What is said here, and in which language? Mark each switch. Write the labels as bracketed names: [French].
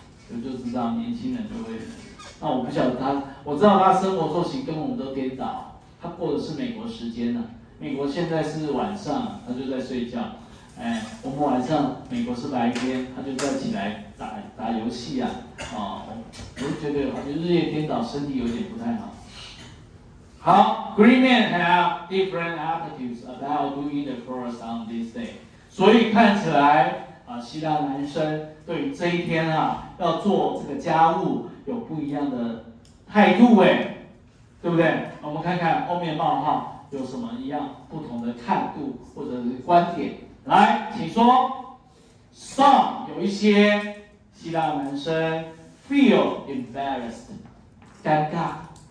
[Chinese] 我就知道年轻人就会，那我不晓得他，我知道他生活作息跟我们都颠倒。他过的是美国时间呢，美国现在是晚上，他就在睡觉。我们晚上美国是白天，他就在起来打游戏啊。我就觉得好像日夜颠倒，身体有点不太好。 [English] 好 ，Green men have different attitudes about doing the chores on this day。 [Chinese] 所以看起来啊，希腊男生对于这一天啊要做这个家务有不一样的态度哎。对不对？我们看看后面冒号有什么一样不同的看度或者是观点。来，请说。Some 有一些希腊男生 [English] feel embarrassed， [Chinese] 尴尬。